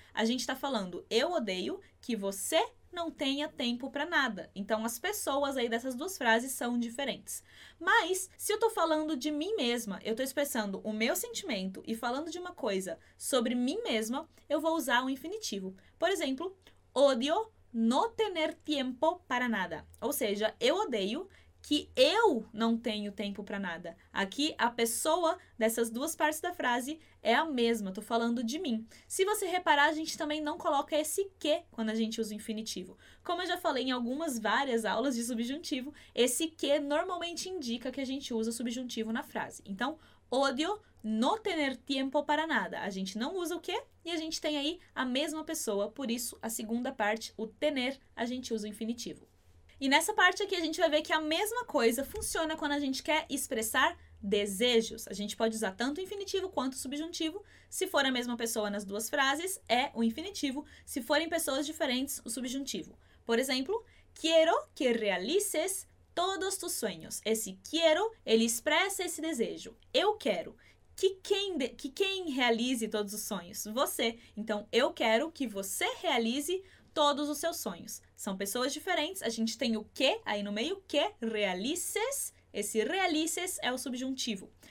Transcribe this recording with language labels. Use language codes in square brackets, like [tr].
[pt] A gente está falando, eu odeio que você não tenha tempo para nada. Então, as pessoas aí dessas duas frases são diferentes. Mas, se eu estou falando de mim mesma, eu estou expressando o meu sentimento e falando de uma coisa sobre mim mesma, eu vou usar o infinitivo. Por exemplo, [es] odio no tener tiempo para nada. [pt] Ou seja, eu odeio que eu não tenho tempo para nada. Aqui, a pessoa dessas duas partes da frase é a mesma, estou falando de mim. Se você reparar, a gente também não coloca esse que quando a gente usa o infinitivo. Como eu já falei em algumas várias aulas de subjuntivo, esse que normalmente indica que a gente usa o subjuntivo na frase. Então, [es] odio no tener tiempo para nada. [pt] A gente não usa o que e a gente tem aí a mesma pessoa, por isso a segunda parte, o tener, a gente usa o infinitivo. E nessa parte aqui, a gente vai ver que a mesma coisa funciona quando a gente quer expressar desejos. A gente pode usar tanto o infinitivo quanto o subjuntivo. Se for a mesma pessoa nas duas frases, é o infinitivo. Se forem pessoas diferentes, o subjuntivo. Por exemplo, [es] quiero que realices todos tus sueños. [pt] Esse quiero, ele expressa esse desejo. Eu quero que quem realize todos os sonhos? Você. Então, eu quero que você realize todos os seus sonhos. São pessoas diferentes, a gente tem o que aí no meio, [es] que realices, [pt] esse realices é o subjuntivo.